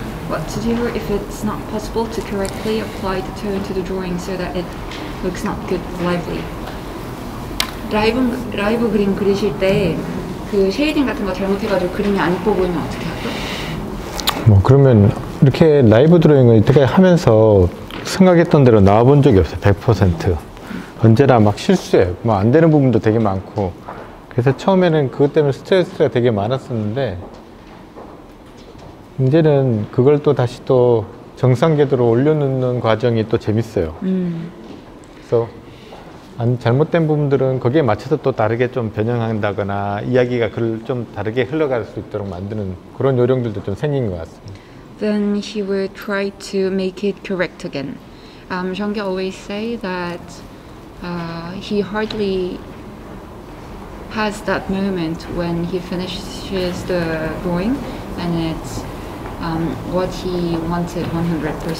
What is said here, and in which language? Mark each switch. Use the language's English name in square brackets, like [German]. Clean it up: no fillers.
[English] What to do if it's not possible to correctly apply the tone to the drawing so that it looks not good lively? [Korean] 라이브 그림 그리실 때 그 쉐이딩 같은 거 잘못해가지고 그림이 안 예뻐 보이면 어떻게 할까? 뭐 그러면 이렇게 라이브 드로잉을 이렇게 하면서 생각했던 대로 나와본 적이 없어요. 100%. 언제나 막 실수해. 막 안 되는 부분도 되게 많고. 그래서 처음에는 그것 때문에 스트레스가 되게 많았었는데, 이제는 그걸 또 다시 또 정상궤도로 올려놓는 과정이 또 재밌어요. 그래서 잘못된 부분들은 거기에 맞춰서 또 다르게 좀 변형한다거나 이야기가 그걸 좀 다르게 흘러갈 수 있도록 만드는 그런 요령들도 좀 생긴 것 같습니다. [English] Then he would try to make it correct again. Zhang Jie always say that he hardly has that moment when he finishes the drawing and it's what he wanted 100%.